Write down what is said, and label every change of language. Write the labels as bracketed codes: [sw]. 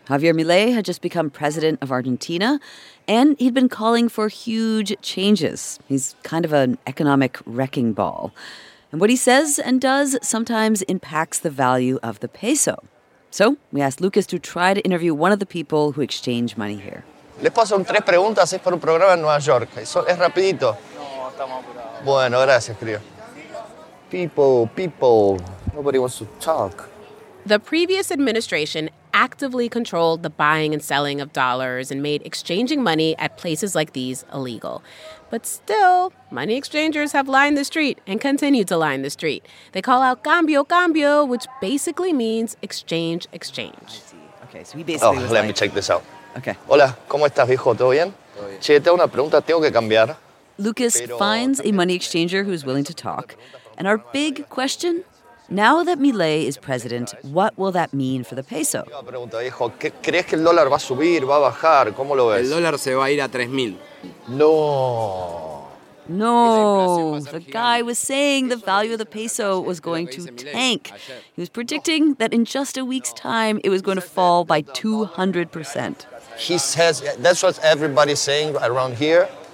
[en] Javier Milei had just become president of Argentina, and he'd been calling for huge changes. He's kind of an economic wrecking ball. And what he says and does sometimes impacts the value of the peso. So we asked Lucas to try to interview one of the people who exchange money here. [es] Les paso tres preguntas, es para un programa en Nueva York. Eso es rapidito. Bueno, gracias, querido. [en] People, nobody wants to talk. The previous administration actively controlled the buying and selling of dollars and made exchanging money at places like these illegal. But still, money exchangers have lined the street and continue to line the street. They call out [es] cambio, cambio, [en] which basically means exchange, exchange. Okay, so he basically was let me check this out. Okay. [es] Hola, ¿cómo estás, viejo? ¿Todo bien? Che, tengo una pregunta, tengo que cambiar. [en] Lucas finds a money exchanger who's willing to talk. And our big question, now that Milei is president, what will that mean for the peso? [es] ¿Crees que el dólar va a subir, va a bajar? ¿Cómo lo ves? El dólar se va a ir a 3,000. No. [en] No, the guy was saying the value of the peso was going to tank. He was predicting that in just a week's time, it was going to fall by 200%. He says, that's what everybody's saying around here.